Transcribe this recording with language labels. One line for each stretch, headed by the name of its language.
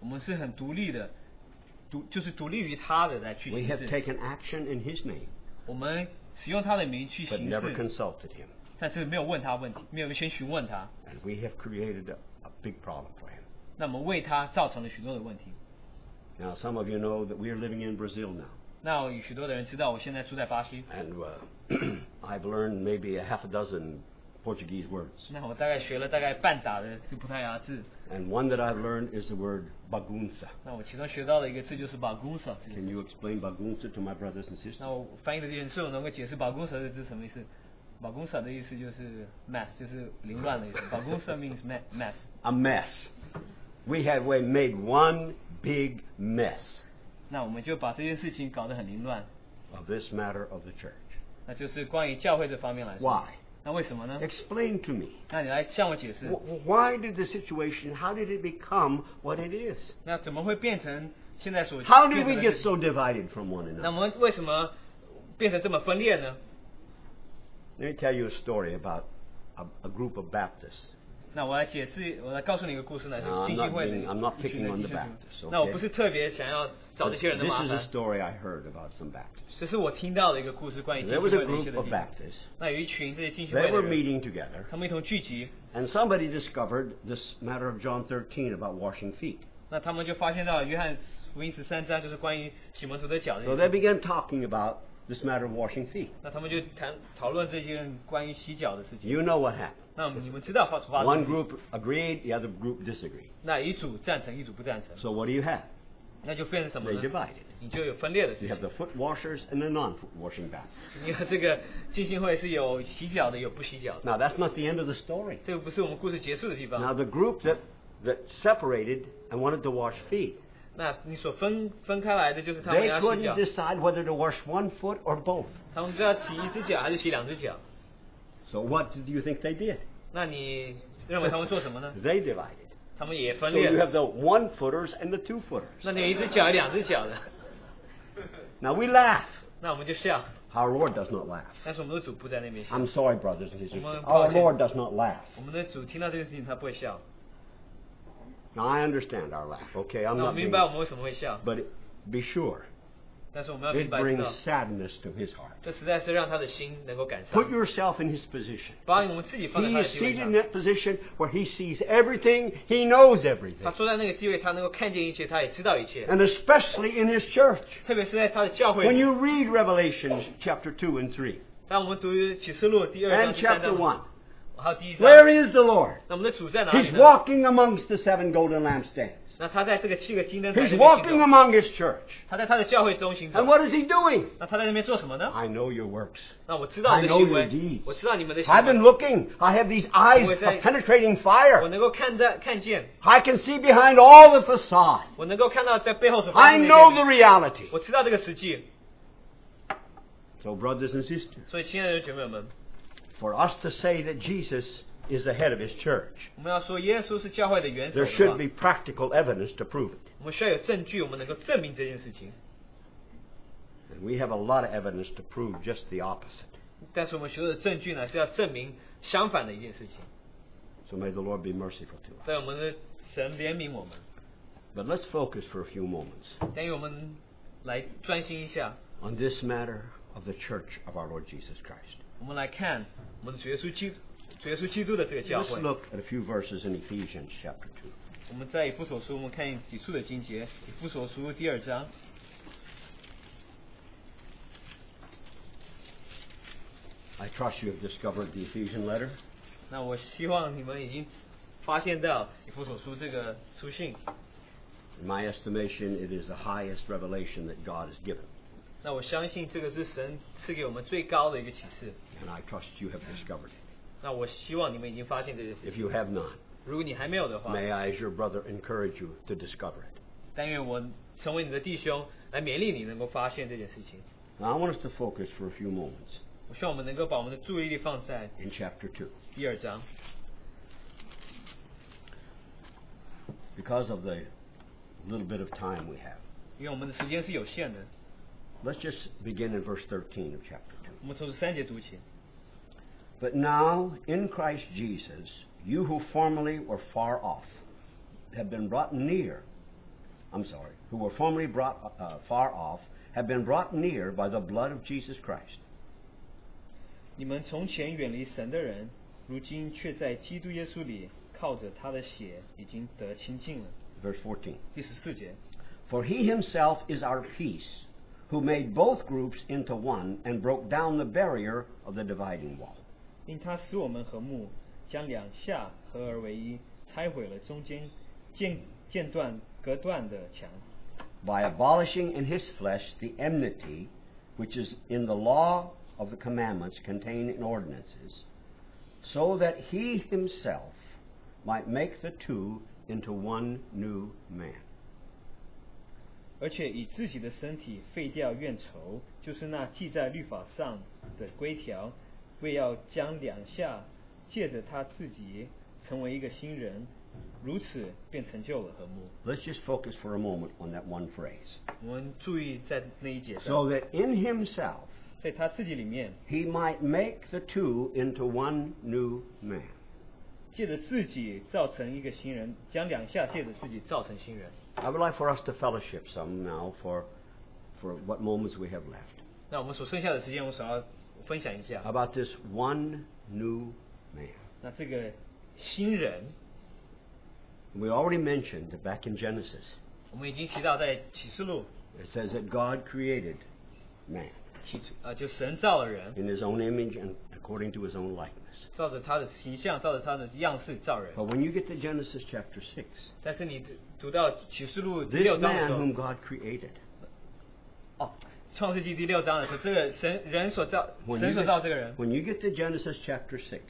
Chinese: 我们是很独立的，就是独立于他的来去行事。
English: We have taken action in His name.
Chinese: 我们使用他的名去行事。
English: But never consulted Him.
Chinese: 但是没有问他问题，没有先询问他。
English: And we have created a big problem for Him.
Chinese: 那我们为他造成了许多的问题。
English: Now some of you know that we are living in Brazil now.
Chinese: 那有许多的人知道我现在住在巴西。
English: And I've learned maybe a half a dozen Portuguese words.
Chinese: 那我大概学了大概半打的葡萄牙字。
English: And one that I've learned is the word bagunça.
Chinese: 那我其中学到的一个字就是 bagunça。
English: Can you explain bagunça to my brothers and sisters?
Chinese: 那我翻译的人是否能够解释 bagunça 的字什么意思？bagunça 的意思就是 mess， 就是凌乱的意思。
English: bagunça means mess. A mess. We have made one big mess.
Chinese: 那我们就把这件事情搞得很凌乱。
English: Of this matter of the church.
Chinese: 那就是关于教会这方面来说。
English: Why?
Chinese: 那为什么呢？
English: Explain to me.
Chinese: 那你来向我解释。
English: Why did the situation? How did it become what it is?
Chinese: 那怎么会变成现在所？
English: How did we get so divided from one another?
Chinese: 那我们为什么变成这么分裂呢？
English: Let me tell you a story about a group of Baptists.
Chinese: 那我来解释，我来告诉你一个故事呢，是浸信会的。
English: I'm not picking on the Baptists.
Chinese: 那我不是特别想要找这些人的麻烦。
English: This is a story I heard about some Baptists.
Chinese: 这是我听到的一个故事，关于浸信会的一些人。
English: There was a group of Baptists.
Chinese: 那有一群这些浸信会的人。
English: They were meeting together.
Chinese: 他们一同聚集。
English: And somebody discovered this matter of John 13 about washing feet.
Chinese: 那他们就发现到约翰福音十三章就是关于洗门徒的脚。
English: So they began talking about this matter of washing feet.
Chinese: 那他们就讨论这些关于洗脚的事情。
English: You know what happened?
Chinese: 那你们知道发出发生。
English: One group agreed, the other group disagreed.
Chinese: 那一组赞成，一组不赞成。
English: So what do you have?
Chinese: 那就变成什么呢？
English: They divided.
Chinese: 你就有分裂的事情。
English: You have the foot washers and the non-foot washing baths.
Chinese: 你看这个浸信会是有洗脚的，有不洗脚的。
English: Now that's not the end of the story.
Chinese: 这个不是我们故事结束的地方。
English: Now the group that separated and wanted to wash feet.
Chinese: 那你所分开来的就是他们要洗脚。
English: They couldn't decide whether to wash one foot or both.
Chinese: 他们就要洗一只脚还是洗两只脚。
English: So what do you think they did?
Chinese: 那你认为他们做什么呢？
English: They divided.
Chinese: 他们也分裂。
English: So you have the one footers and the two footers.
Chinese: 那你一只脚两只脚的。
English: Now we laugh.
Chinese: 那我们就笑。
English: Our Lord does not laugh.
Chinese: 但是我们的主不在那边笑。
English: I'm sorry, brothers and sisters. Our Lord does not laugh.
Chinese: 我们的主听到这件事情他不会笑。
English: Now I understand our laugh. Okay, I'm not.
Chinese: 那我明白我们为什么会笑。
English: But be sure.
Chinese: 但是我们要明白
English: ，it brings sadness to his heart.
Chinese: 这实在是让他的心能够感伤。
English: Put yourself in his position.
Chinese: 把我们自己放在他的地位上。
English: He is seated in that position where he sees everything, he knows everything.
Chinese: 他坐在那个地位，他能够看见一切，他也知道一切。
English: And especially in his church.
Chinese: 特别是在他的教会。
English: When you read Revelation chapter 2 and 3.
Chinese: 当我们读启示录第二章第三章。
English: And chapter 1. Where is the Lord?
Chinese: 那我们的主在哪里呢?
English: He's walking amongst the seven golden lampstands.
Chinese: 那他在这个七个金灯台。
English: He's walking among his church.
Chinese: 他在他的教会中行走。
English: And what is he doing?
Chinese: 那他在那边做什么呢?
English: I know your works.
Chinese: 那我知道你的行为。
English: I know your deeds.
Chinese: 我知道你们的行
English: 为。I've been looking. I have these eyes of penetrating fire.
Chinese: 我能够看见。
English: I can see behind all the facade.
Chinese: 我能够看到在背后所。
English: I know the reality.
Chinese: 我知道这个实际。
English: So brothers and sisters.
Chinese: 所以亲爱的姐妹们。
English: For us to say that Jesus is the head of His church,
Chinese: 我们要说耶稣是教会的元首。
English: There should be practical evidence to prove it.
Chinese: 我们需要有证据，我们能够证明这件事情。
English: And we have a lot of evidence to prove just the opposite.
Chinese: 但是我们所有的证据呢，是要证明相反的一件事情。
English: So may the Lord be merciful to us.
Chinese: 对我们的神怜悯我们。
English: But let's focus for a few moments.
Chinese: 等于我们来专心一下。
English: On this matter of the church of our Lord Jesus Christ.
Chinese: 我们来看我们的主耶稣基督的这个教会。
English: Let's look at a few verses in Ephesians chapter 2.
Chinese: 我们在以弗所书，我们看几处的经节。以弗所书第二章。
English: I trust you have discovered the Ephesian letter.
Chinese: 那我希望你们已经发现到以弗所书这个书信。
English: In my estimation, it is the highest revelation that God has given.
Chinese: 那我相信这个是神赐给我们最高的一个启示。
English: And I trust you have discovered it.
Chinese: 那我希望你们已经发现这件事。
English: If you have not,
Chinese: 如果你还没有的话
English: ，May I, as your brother, encourage you to discover it.
Chinese: 但愿我成为你的弟兄，来勉励你能够发现这件事情。
English: Now I want us to focus for a few moments.
Chinese: 我希望我们能够把我们的注意力放在
English: in chapter 2.
Chinese: 第二章。
English: Because of the little bit of time we have.
Chinese: 因为我们的时间是有限的。
English: Let's just begin in verse 13 of chapter 2.
Chinese: 我们从三节读起。
English: But now, in Christ Jesus, you who formerly were far off have been brought near I'm sorry, who were formerly brought far off, have been brought near by the blood of Jesus Christ.
Chinese: 你们从前远离神的人，如今却在基督耶稣里，靠着他的血已经得清净了。
English: Verse 14.
Chinese: 第十四节。
English: For he himself is our peace, who made both groups into one and broke down the barrier of the dividing wall.
Chinese: 因他使我们和睦，将两下合而为一，拆毁了中间间断隔断的墙。
English: By abolishing in his flesh the enmity, which is in the law of the commandments contained in ordinances, so that he himself might make the two into one new man.
Chinese: 而且以自己的身体废掉怨仇，就是那记在律法上的规条，为要将两下借着他自己成为一个新人。如此便成就了和睦。
English: Let's just focus for a moment on that one phrase.
Chinese: 我们注意在那一节。
English: So that in himself,
Chinese: 在他自己里面,
English: he might make the two into one new man.
Chinese: 借着自己造成一个新人，将两下借着自己造成新人。
English: I would like for us to fellowship some now for what moments we have left.
Chinese: 那我们所剩下的时间，我想要分享一下。
English: About this one new man.
Chinese: 那这个新人。
English: We already mentioned that back in Genesis, it says that God created man
Chinese: 就神造了人,
English: in his own image and according to his own likeness.
Chinese: 照着他的形象, 照着他的样式造人。
English: But when you get to Genesis chapter 6,
Chinese: 但是你读到启示录第六章的时候,
English: this man whom God created,
Chinese: 创世纪第六章的时候, 这个神, 人所造, 神所造这个人,
English: when you get to Genesis chapter 6,